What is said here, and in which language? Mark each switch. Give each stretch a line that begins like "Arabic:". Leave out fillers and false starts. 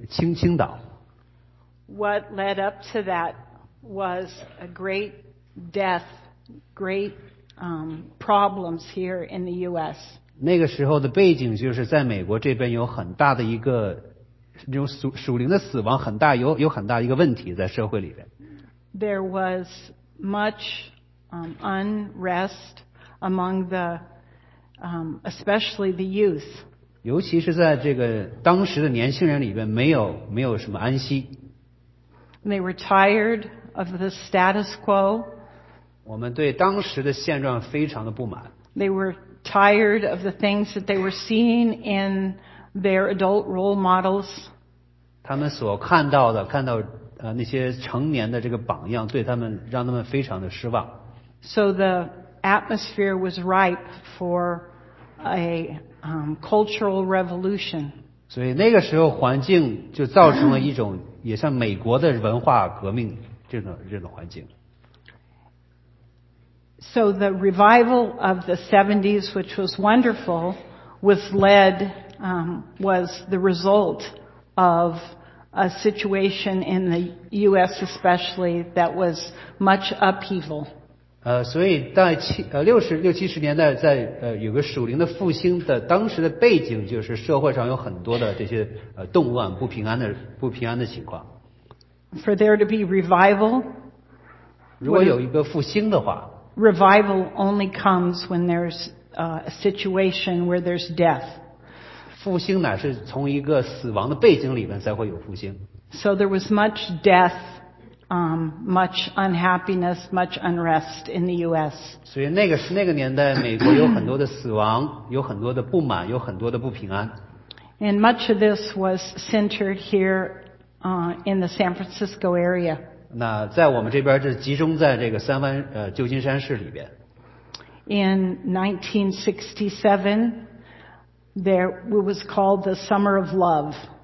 Chinese: 在那个1960年代和70年代的时候，在美国有一个很这个圣灵有很大的被倾倒。
English: What led up to that was a great death, great problems here in the U.S.
Chinese: 那个时候的背景就是在美国这边有很大的一个这种属灵的死亡，很大有很大一个问题在社会里边。
English: There was much unrest among the, especially the youth.
Chinese: 尤其是在这个当时的年轻人里边，没有什么安息。
English: They were tired of the status quo.
Chinese: 我们对当时的现状非常的不满。
English: They were tired of the things that they were seeing in their adult role models.
Chinese: 他们所看到的，看到那些成年的这个榜样，对他们让他们非常的失望。
English: So the atmosphere was ripe for a cultural revolution.
Chinese: 所以那个时候环境就造成了一种也像美国的文化革命这种环境。
English: So the revival of the 70s, which was wonderful, was led, was the result of a situation in the U.S. especially that was much upheaval.
Chinese: 所以在六七十年代在有个属灵的复兴的当时的背景就是社会上有很多的这些动乱不平安的情况。
English: For there to be revival,
Chinese: 如果有一个复兴的话
English: revival only comes when there's a situation where there's death.
Chinese: 复兴乃是从一个死亡的背景里面才会有复兴。
English: So there was much death, much unhappiness, much unrest in the U.S.
Chinese: 所以那个年代美国有很多的死亡有很多的不满有很多的不平安。
English: And much of this was centered here in the San Francisco area.
Chinese: 那在我们这边就集中在这个三藩旧金山市里边。
English: In 1967, there it was called the Summer of Love.